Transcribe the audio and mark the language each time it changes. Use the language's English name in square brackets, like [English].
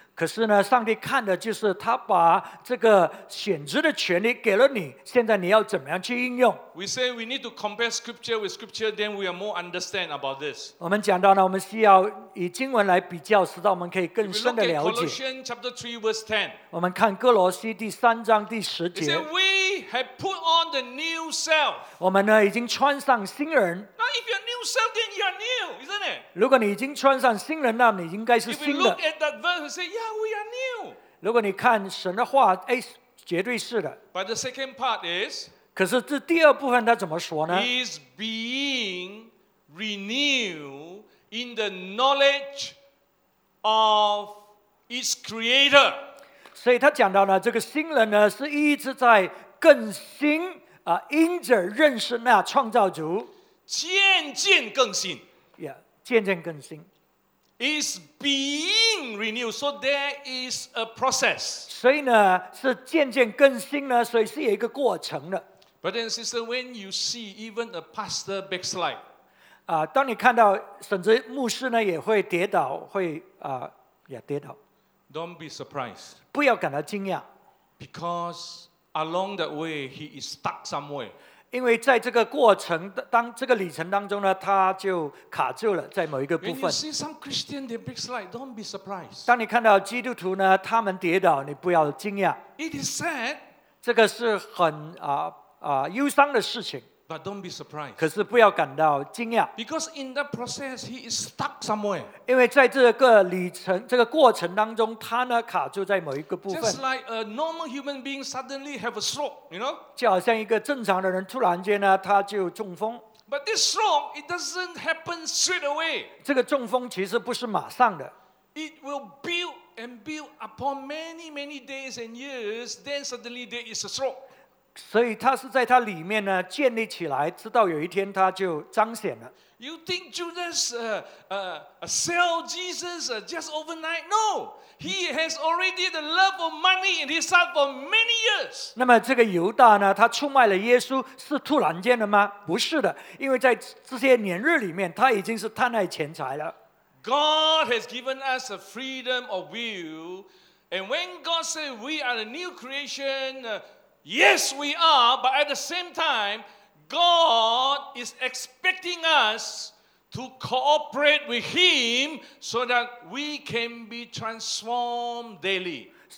[Chinese] 可是呢, 上帝看的就是, 他把这个选择的权利给了你, 现在你要怎么样去应用? [English] We say we need to compare scripture with scripture, then we are more understand about this. [Chinese] 我们讲到呢, 我们需要以经文来比较, 使到我们可以更深的了解。 [English] We look at Colossians chapter 3 verse 10. [Chinese] 我们看哥罗西第三章第十节。 [English] He said, we have put on the new self. [Chinese] 我们呢, 已经穿上新人。 [English] Now if you're new self, then you are new, isn't it? [Chinese] 如果你已经穿上新人, 那你应该是新的。 [English] If you look at that verse, you say, yeah, we are new. [Chinese] 如果你看神的话, 诶, 绝对是的。 [English] But the second part is, [Chinese] 可是这第二部分他怎么说呢? [English] Is being renewed in the knowledge of its creator. [Chinese] 所以他讲到呢, 这个新人呢, 是一直在更新, 因着认识那创造主。渐渐更新。 Yeah, 渐渐更新。 [English] Is being renewed, so there is a process. [Chinese] 所以呢, 是渐渐更新呢, 所以是有一个过程的。 [English] Brother and sister, when you see even a pastor backslide, [Chinese] 当你看到甚至牧师呢, 也会跌倒, 会, 跌倒。 [English] Don't be surprised. [Chinese] 不要感到惊讶。 [English] Because along that way, he is stuck somewhere. [Chinese] 因为在这个过程, 这个旅程当中呢, 他就卡住了, 在某一个部分。 [English] When you see some Christian, they backslide, don't be surprised. [Chinese] 当你看到基督徒呢, 他们跌倒, 你不要惊讶。 [English] It is sad. [Chinese] 这个是很, 忧伤的事情。 [English] But don't be surprised. [Chinese] 可是不要感到惊讶。 [English] Because in the process, he is stuck somewhere. [Chinese] 因为在这个旅程, 这个过程当中, 他呢, 卡住在某一个部分。 [English] Just like a normal human being suddenly have a stroke, you know? [Chinese] 就好像一个正常的人突然间呢, 他就中风。 [English] But this stroke, it doesn't happen straight away. [Chinese] 这个中风其实不是马上的。 [English] It will build and build upon many, many days and years, then suddenly there is a stroke. [Chinese] 所以他是在他里面呢, 建立起来, 直到有一天他就彰显了。 [English] You think Judas sell Jesus just overnight? No! He has already the love of money in his heart for many years. [Chinese] 那么这个犹大呢, 他出卖了耶稣, 是突然间的吗? 不是的, 因为在这些年日里面, 他已经是贪爱钱财了。 [English] God has given us a freedom of will, and when God says we are a new creation, yes, we are, but at the same time, God is expecting us to cooperate with Him so that we can be transformed daily.